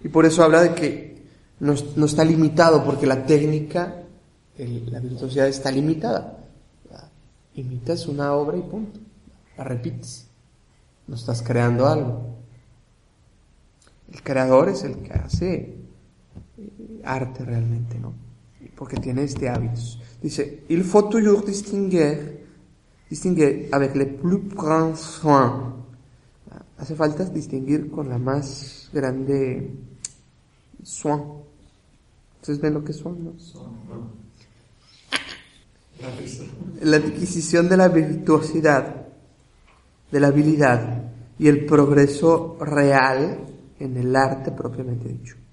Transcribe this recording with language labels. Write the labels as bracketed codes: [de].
[es] Y por eso habla de que no está limitado, porque la técnica, la virtuosidad está limitada. Imitas una obra y punto. La repites. No estás creando algo. El creador es el que hace arte realmente, ¿no? Porque tiene este hábito. [fr] Dice, il faut toujours distinguer avec le plus grand soin. [es] Hace falta distinguir con la más grande soin. ¿Ustedes ven lo que es soin, no? La adquisición de la virtuosidad, de la habilidad y el progreso real en el arte propiamente dicho.